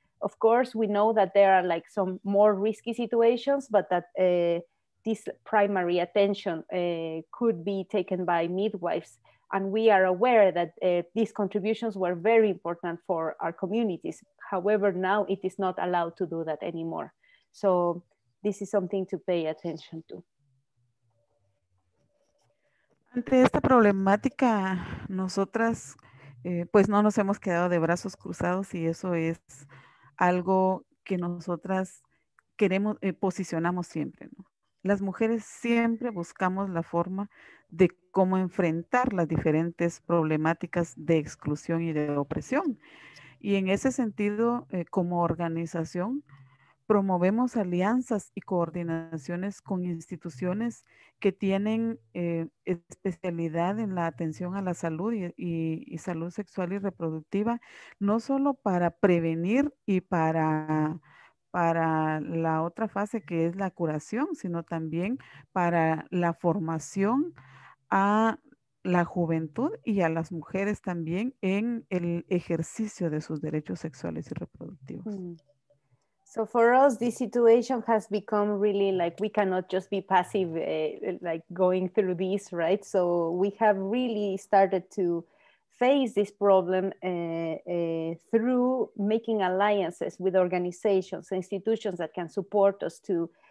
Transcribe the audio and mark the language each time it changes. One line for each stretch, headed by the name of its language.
English: Of course, we know that there are like some more risky situations, but that this primary attention could be taken by midwives. And we are aware that these contributions were very important for our communities. However, now it is not allowed to do that anymore. So this is something to pay attention to.
Spanish: Ante esta problemática, nosotras pues no nos hemos quedado de brazos cruzados y eso es algo que nosotras queremos, posicionamos siempre, ¿no? Las mujeres siempre buscamos la forma de cómo enfrentar las diferentes problemáticas de exclusión y de opresión. Y en ese sentido, como organización, promovemos alianzas y coordinaciones con instituciones que tienen especialidad en la atención a la salud y salud sexual y reproductiva, no solo para prevenir y para la otra fase que es la curación, sino también para la formación a la juventud y a las mujeres también en el ejercicio de sus derechos sexuales y reproductivos.
English: So for us, this situation has become really like we cannot just be passive, like going through this, right? So we have really started to face this problem through making alliances with organizations, institutions that can support us to